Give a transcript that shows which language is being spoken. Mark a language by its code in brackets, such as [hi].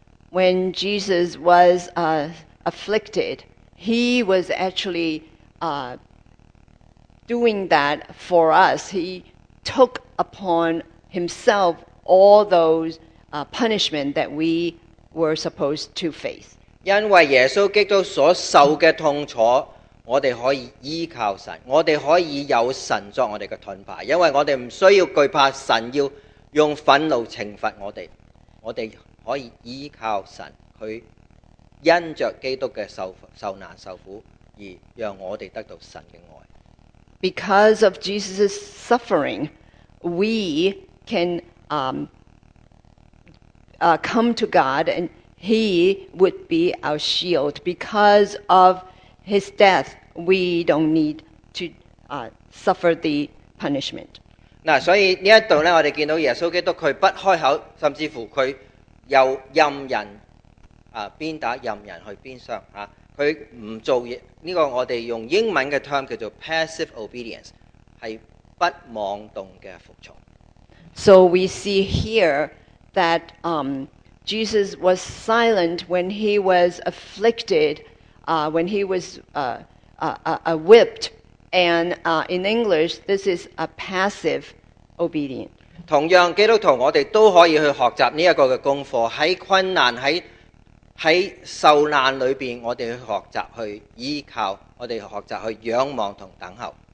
[en] When Jesus was afflicted, he was actually doing that for us. He took upon himself all those punishment that we were supposed to face. [zh] 因为耶稣基督所受的痛楚，我们可以依靠神，我们可以有神作我们的盾牌，因为我们不需要惧怕神要用愤怒惩罚我们，我们可以依靠神，祂因着基督的受难受苦，而让我们得到神的爱。 [en] Because of Jesus' suffering, we can come to God, and He would be our shield. Because of His death, we don't need to suffer the punishment. [zh] 所以这里呢，我们看到耶稣基督他不开口，甚至乎他又任人鞭打，任人去鞭伤，他不做这个，我们用英文的 term 叫做 passive obedience， 是不妄动的服从。 [en] So we see here that Jesus was silent when he was afflicted, when he was whipped. And in English, this is a passive obedience. [zh] 同樣，基督徒我們都可以去學習這個功課，在困難，在受難裡面，我們去學習去依靠，我們學習去仰望和等候。